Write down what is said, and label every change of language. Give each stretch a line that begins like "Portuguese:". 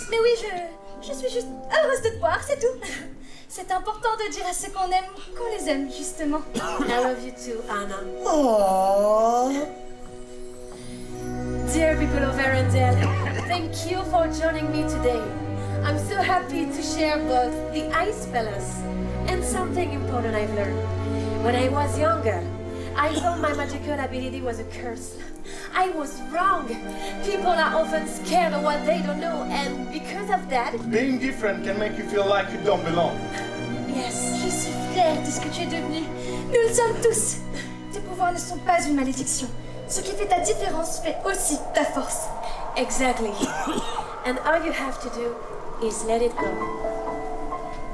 French: Mais oui, je suis juste heureuse de te voir, c'est tout. C'est important de dire à ceux qu'on aime qu'on les aime, justement.
English: I love you too, Anna. Aww. Dear people of Arendelle, thank you for joining me today. I'm so happy to share both the Ice Palace and something important I've learned. When I was younger, I thought my magical ability was a curse. I was wrong. People are often scared of what they don't know, and because of that... Being different can make you feel like you don't belong.
French: Yes, je suis fière de ce que tu es devenu. Nous le sommes tous. Tes pouvoirs ne sont pas une malédiction. Ce qui fait ta différence fait aussi ta force.
English: Exactly. And all you have to do is let it go.